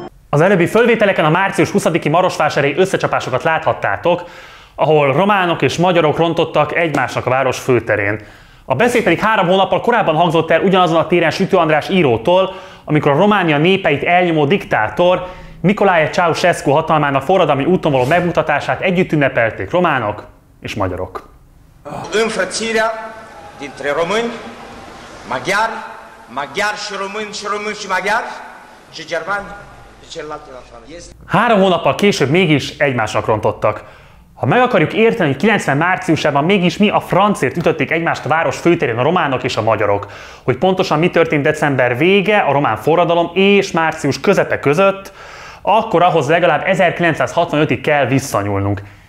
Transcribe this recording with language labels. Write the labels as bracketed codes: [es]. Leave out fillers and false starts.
[hu] Az előbbi fölvételeken a március 20-i marosvásári összecsapásokat láthattátok, ahol románok és magyarok rontottak egymásnak a város főterén. A beszéd pedig 3 hónappal korábban hangzott el ugyanazon a téren Sütő András írótól, amikor a Románia népeit elnyomó diktátor Nicolae Ceausescu hatalmának forradalmi úton való megmutatását együtt ünnepelték románok és magyarok. [ro] Înfrățirea dintre români, maghiari, maghiari și români, și români și maghiari, și germani, și celălalt. [hu] 3 hónappal később mégis egymásnak rontottak. Ha meg akarjuk érteni, hogy 90 márciusában mégis mi a francért ütötték egymást a város főterén a románok és a magyarok, hogy pontosan mi történt december vége, a román forradalom és március közepe között, akkor ahhoz legalább 1965-ig kell visszanyúlnunk.